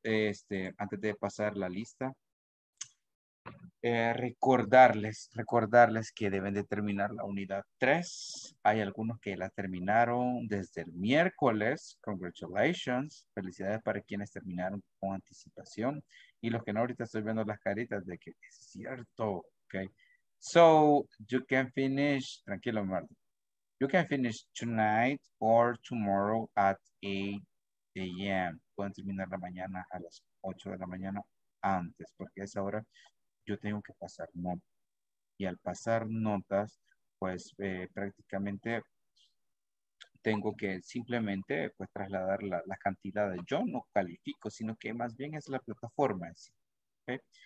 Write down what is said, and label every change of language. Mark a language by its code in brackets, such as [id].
[es] Antes de pasar la lista, recordarles que deben de terminar la unidad 3. Hay algunos que la terminaron desde el miércoles. [en] Congratulations. [es] Felicidades para quienes terminaron con anticipación. Y los que no, ahorita estoy viendo las caritas de que es cierto, okay. [en] So, you can finish, tranquilo, Marta. You can finish tonight or tomorrow at 8 a.m. [es] Pueden terminar la mañana a las 8 de la mañana antes, porque a esa hora yo tengo que pasar notas. Y al pasar notas, pues prácticamente tengo que simplemente pues trasladar la cantidad. Yo no califico, sino que más bien es la plataforma. ¿Okay?